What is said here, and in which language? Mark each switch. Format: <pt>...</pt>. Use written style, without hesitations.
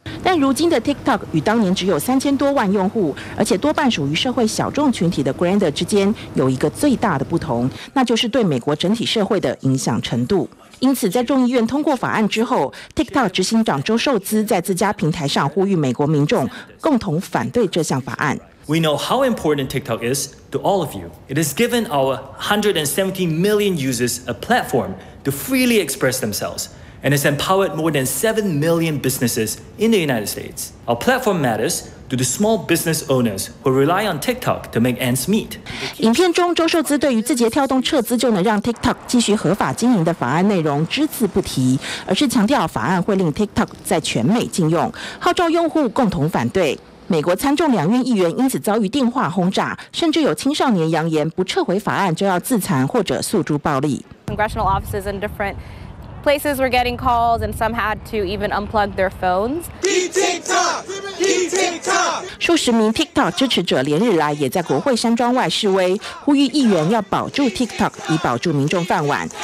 <zh>但如今的 TikTok 与当年只有3000多万用户，而且多半属于社会小众群体的 Grindr 之间有一个最大的不同，那就是对美国整体社会的影响程度。因此在众议院通过法案之后， TikTok 执行长周受资在自家平台上呼吁美国民众共同反对这项法案。</zh> <en>We know how important TikTok is to all of you. It has given our 170 million users a platform to freely express themselves and has empowered more than 7 million businesses in the United States. Our platform matters to the small business owners who rely on TikTok to make ends meet.</en> <zh>影片中，周受资对于字节跳动撤资就能让 TikTok 继续合法经营的法案内容只字不提，而是强调法案会令 TikTok 在全美禁用，号召用户共同反对。美国参众两院议员因此遭遇电话轰炸，甚至有青少年扬言不撤回法案就要自残或者诉诸暴力。</zh> <en>Congressional offices in different places were getting calls, and some had to even unplug their phones.</en> <zh>TikTok, 数十名 TikTok 支持者连日来也在国会山庄外示威，呼吁议员要保住 TikTok， 以保住民众饭碗。</zh>